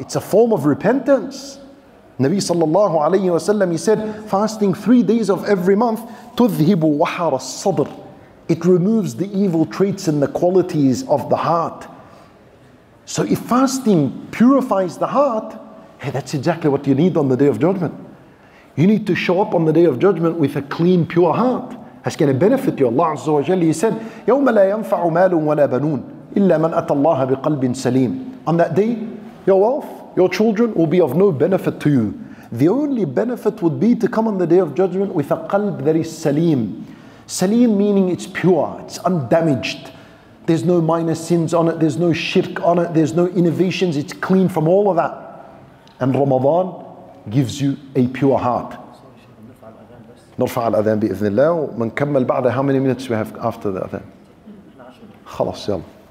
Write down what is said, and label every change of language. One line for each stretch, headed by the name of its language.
English: It's a form of repentance. Nabi sallallahu alayhi wa sallam, he said, fasting 3 days of every month,
Arabic: tudhibu wahar as-sadr.
English: It removes the evil traits and the qualities of the heart. So if fasting purifies the heart, hey, that's exactly what you need on the Day of Judgment. You need to show up on the Day of Judgment with a clean, pure heart. That's going to benefit you. Allah azza wa jalla, he said,
Arabic: يَوْمَ لَا يَنْفَعُ مَالٌ وَلَا بَنُونَ إِلَّا مَنْ أَتَى اللَّهَ بِقَلْبٍ سَلِيمٍ. On that day, your wealth, your children will be of no benefit to you. The only benefit would be to come on the Day of Judgment with a qalb that is salim. Salim meaning it's pure, it's undamaged. There's no minor sins on it, there's no shirk on it, there's no innovations, it's clean from all of that. And Ramadan gives you a pure heart. نرفع الأذان بإذن الله ومن كمل بعد.
English: How many minutes we have after the أذان؟
Arabic: خلاص يلا.